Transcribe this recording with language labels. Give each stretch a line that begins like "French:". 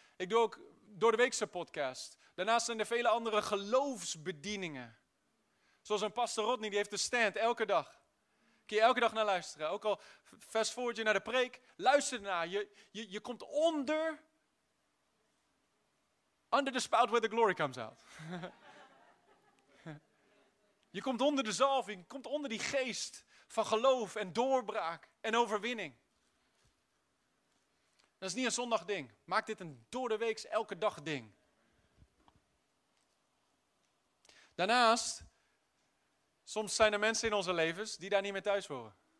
Dutch: Ik doe ook door de weekse podcast. Daarnaast zijn er vele andere geloofsbedieningen. Zoals een pastor Rodney, die heeft de stand elke dag. Kun je elke dag naar luisteren. Ook al fast forward je naar de preek, luister ernaar. Je komt onder
English: Under the spout where the glory comes out.
Dutch: Je komt onder de zalving, komt onder die geest van geloof en doorbraak en overwinning. Dat is niet een zondagding. Maak dit een door de weeks elke dag ding. Daarnaast, soms zijn er mensen in onze levens die daar niet meer thuis horen.